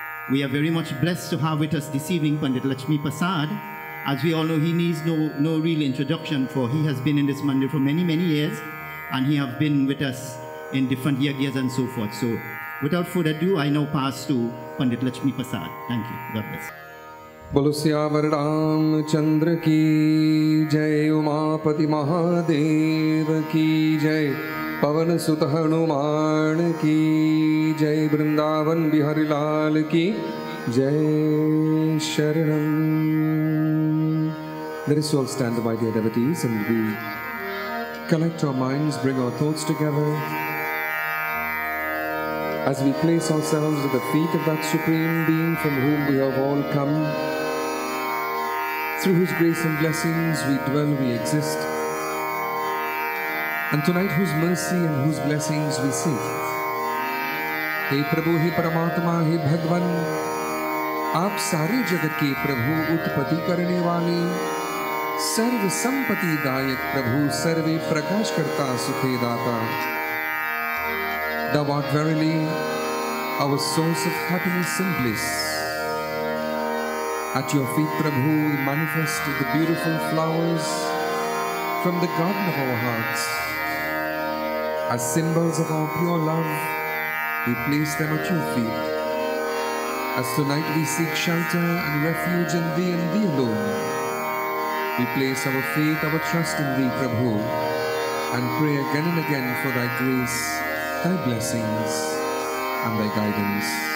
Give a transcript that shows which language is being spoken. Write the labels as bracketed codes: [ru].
[en] We are very much blessed to have with us this evening Pundit Luchmidath Persad. As we all know, he needs no real introduction, for he has been in this mandir for many, many years, and he have been with us in different yagyas and so forth. So without further ado, I now pass to Pundit Luchmidath Persad. Thank you. God bless. [hi] बलुस्यावर Ram Chandra की जय, उमापति महादेव की जय, पवन सुत हनुमान की जय, वृंदावन बिहारी लाल की जय, शरणम। [en] Let us all stand by the devotees and we collect our minds, bring our thoughts together as we place ourselves at the feet of that supreme being from whom we have all come. Through whose grace and blessings we dwell, we exist. And tonight, whose mercy and whose blessings we seek. [hi] हे प्रभु, हे परमात्मा, हे भगवन, आप सारे जगत के प्रभु, उत्पत्ति करने वाले, सर्व संपत्ति दायक प्रभु, सर्वे प्रकाशकर्ता, सुखदाता, [en] thou art verily our source of happiness and bliss. At your feet, Prabhu, we manifest the beautiful flowers from the garden of our hearts. As symbols of our pure love, we place them at your feet. As tonight we seek shelter and refuge in thee and thee alone, we place our faith, our trust in thee, Prabhu, and pray again and again for thy grace, thy blessings, and thy guidance.